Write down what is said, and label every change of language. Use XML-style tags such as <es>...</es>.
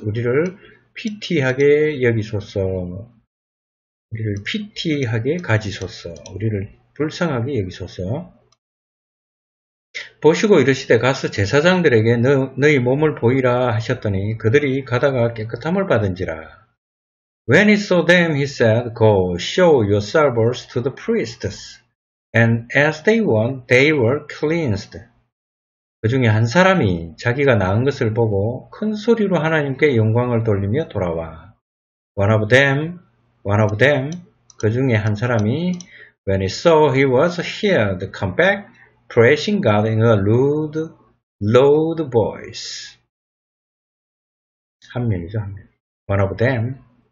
<ko>우리를 피티하게 여기소서. 우리를 피티하게 가지소서. 우리를 불쌍하게 여기소서. 보시고 이르시되 가서 제사장들에게 너희 몸을 보이라 하셨더니 그들이 가다가 깨끗함을 받은지라.</ko> <en>When he saw them, he said, Go, show yourselves to the priests. And as they went, they were cleansed.</en> <ko>그 중에 한 사람이 자기가 나은 것을 보고 큰 소리로 하나님께 영광을 돌리며 돌아와.</ko> <en>One of them.</en> <ko>그 중에 한 사람이</ko> <en>When he saw he was healed, come back, praising God in a loud voice.</en> <ko>한 명이죠, 한 명.</ko> <en>One of them.</en>